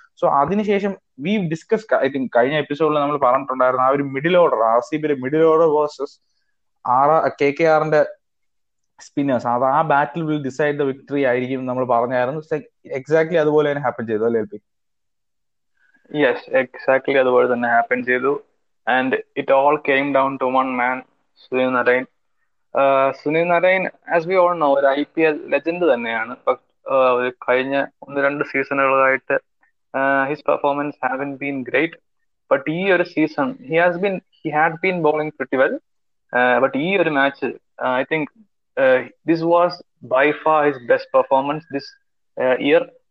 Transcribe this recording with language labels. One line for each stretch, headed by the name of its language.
Malayalam: So അതിനുശേഷം
English: we discuss I think
Malayalam: കഴിഞ്ഞ എപ്പിസോഡിൽ നമ്മൾ പറഞ്ഞിട്ടുണ്ടായിരുന്ന ആ ഒരു മിഡിൽ ഓർഡർ, ആർ സി ബിയുടെ middle order versus K K ആറിന്റെ സ്പിന്നേഴ്സ്, അത് ആ
English: battle will decide the victory
Malayalam: ആയിരിക്കും നമ്മൾ പറഞ്ഞായിരുന്നു. എക്സാക്ട്ലി അതുപോലെ തന്നെ ഹാപ്പൻ ചെയ്തു അല്ലേ?
English: Yes, exactly.
Malayalam: അതുപോലെ തന്നെ ഹാപ്പൻ ചെയ്തു.
English: And it all came down to one man, Sunil Narain.
Malayalam: Sunil Narain,
English: as we all know,
Malayalam: ഒരു ഐ പി എൽ ലെജൻഡ് തന്നെയാണ്. ബട്ട് ഒരു കഴിഞ്ഞ ഒന്ന് രണ്ട് സീസണുകളായിട്ട്
English: His performance haven't been great. But ഈ ഒരു season he had been bowling pretty well. But ഈ ഒരു match I think this was by far his best performance this year.